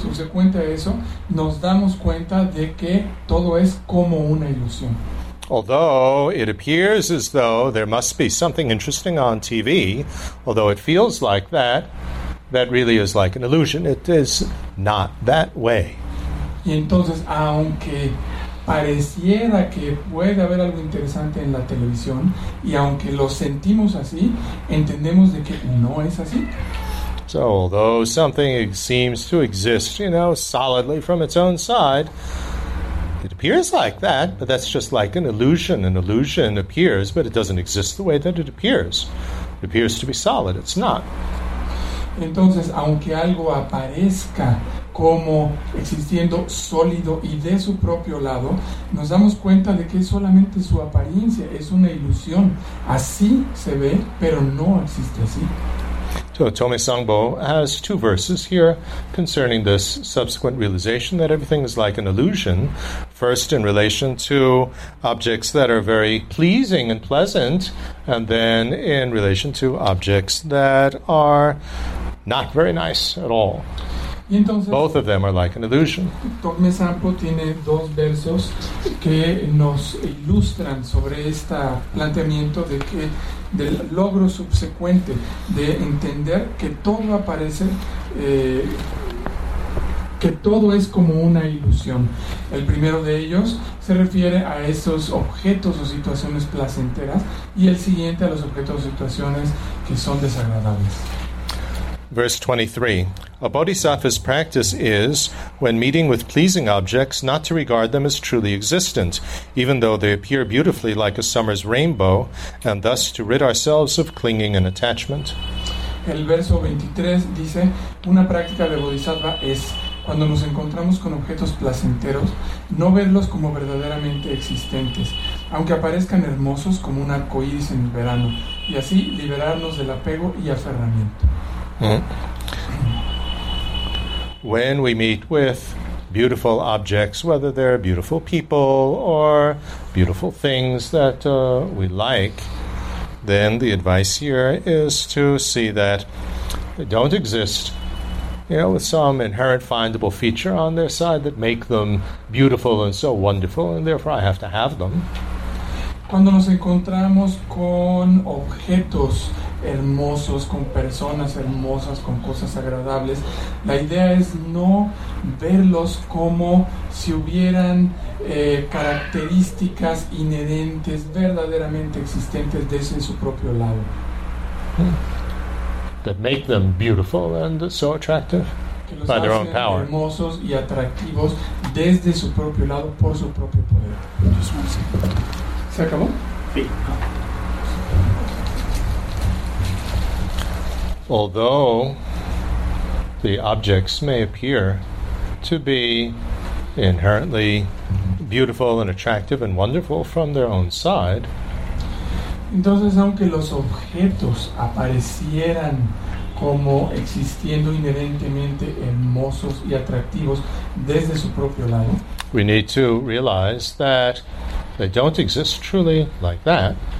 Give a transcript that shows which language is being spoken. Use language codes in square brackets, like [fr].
[es] Subsecuente a eso, nos damos cuenta de que todo es como una ilusión. [en] Although it appears as though there must be something interesting on TV, although it feels like that, that really is like an illusion. It is not that way. [es] Y entonces, aunque pareciera que puede haber algo interesante en la televisión, y aunque lo sentimos así, entendemos de que no es así. [en] So, although something seems to exist, you know, solidly from its own side, it appears like that, but that's just like an illusion. An illusion appears, but it doesn't exist the way that it appears. It appears to be solid. It's not. [es] Entonces, aunque algo aparezca como existiendo sólido y de su propio lado, nos damos cuenta de que es solamente su apariencia, es una ilusión. Así se ve, pero no existe así. [en] So, Tome Sangbo has two verses here concerning this subsequent realization that everything is like an illusion. First, in relation to objects that are very pleasing and pleasant, and then in relation to objects that are not very nice at all. [es] Y entonces, [en] both of them are like an illusion. [es] Tome Sangbo tiene dos versos que nos ilustran sobre este planteamiento de que del logro subsecuente de entender que todo aparece que todo es como una ilusión. El primero de ellos se refiere a esos objetos o situaciones placenteras y el siguiente a los objetos o situaciones que son desagradables. [en] Verse 23. A bodhisattva's practice is, when meeting with pleasing objects, not to regard them as truly existent, even though they appear beautifully like a summer's rainbow, and thus to rid ourselves of clinging and attachment. [es] El verso 23 dice, una práctica de bodhisattva es, cuando nos encontramos con objetos placenteros, no verlos como verdaderamente existentes, aunque aparezcan hermosos como un arco iris en el verano, y así liberarnos del apego y aferramiento. [en] When we meet with beautiful objects, whether they're beautiful people or beautiful things that we like, then the advice here is to see that they don't exist, you know, with some inherent findable feature on their side that make them beautiful and so wonderful, and therefore I have to have them. [es] Cuando nos encontramos con objetos hermosos, con personas hermosas, con cosas agradables, la idea es no verlos como si hubieran características inherentes, verdaderamente existentes desde su propio lado. [en] That make them beautiful and so attractive by their own power. [es] Hermosos y atractivos desde su propio lado, por su propio poder. ¿Se acabó? Sí. [en] Although the objects may appear to be inherently beautiful and attractive and wonderful from their own side. [es] Entonces, aunque los objetos aparecieran como existiendo inherentemente hermosos y atractivos desde su propio lado. [en] We need to realize that they don't exist truly like that.